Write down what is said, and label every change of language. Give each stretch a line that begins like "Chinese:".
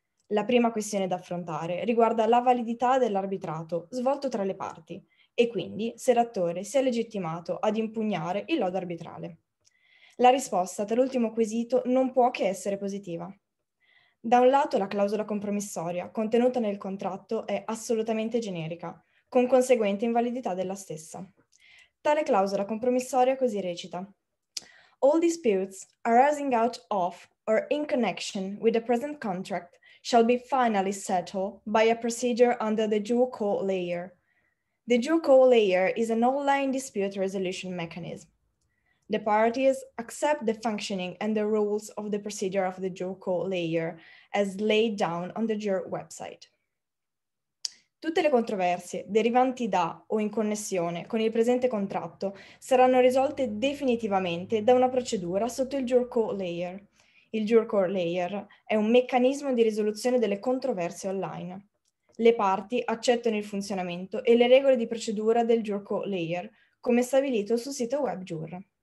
Italian: La prima questione da affrontare riguarda la validità dell'arbitrato svolto tra le parti e quindi se l'attore sia legittimato ad impugnare il lodo arbitrale. La risposta a tal'ultimo quesito non può che essere positiva. Da un lato, la clausola compromissoria contenuta nel contratto è assolutamente generica, con conseguente invalidità della stessa. Tale clausola compromissoria così recita:
English: All disputes arising out of or in connection with the present contract shall be finally settled by a procedure under the due co layer. The due co layer is an online dispute resolution mechanism. The parties accept the functioning and the rules of the procedure of the due co layer as laid down on the JUR website.
Italian: Tutte le controversie derivanti da o in connessione con il presente contratto saranno risolte definitivamente da una procedura sotto il JUR co layer. Il JUR Core Layer è un meccanismo di risoluzione delle controversie online. Le parti accettano il funzionamento e le regole di procedura del JUR Core Layer, come stabilito sul sito web JUR.